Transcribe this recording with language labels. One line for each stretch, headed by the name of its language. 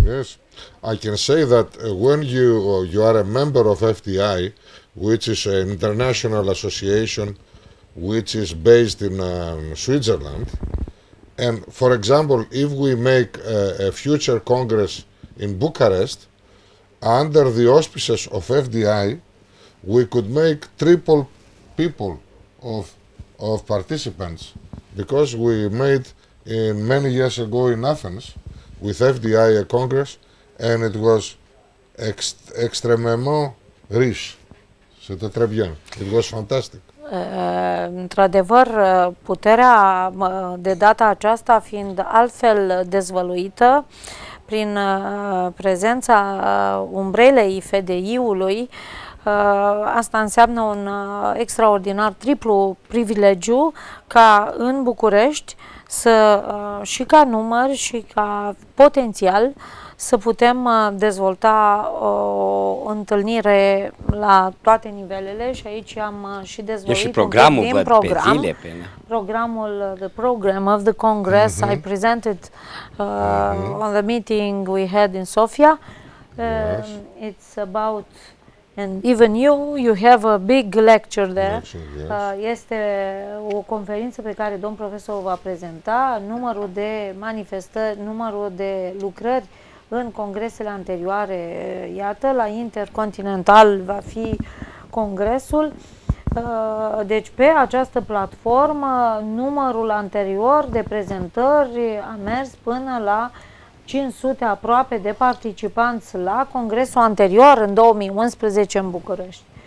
English: Yes, I can say that when you are a member of FDI, which is an international association which is based in Switzerland, and for example, if we make a future congress in Bucharest, under the auspices of FDI, we could make triple people of participants, because we made in many years ago in Athens with FDI a congress, and it was
French: extrêmement riche. C'était très bien.
English: It was fantastic.
Romanian: Într-adevăr, puterea de data aceasta fiind altfel dezvăluită prin prezența umbrelei FDI-ului, asta înseamnă un extraordinar triplu privilegiu ca în București să, și ca număr și ca potențial, să putem dezvolta o întâlnire la toate nivelele și aici am și dezvoltat și programul un program, pe zile, pe...
English: programul, the program of the Congress, mm-hmm. I presented on the meeting we had in Sofia. Yes. It's about, and even you have a big lecture there. Lecture, yes.
Romanian: Este o conferință pe care domn profesor o va prezenta, numărul de manifestări, numărul de lucrări în congresele anterioare, iată, la Intercontinental va fi congresul. Deci pe această platformă numărul anterior de prezentări a mers până la 500 aproape de participanți la congresul anterior în 2011 în București.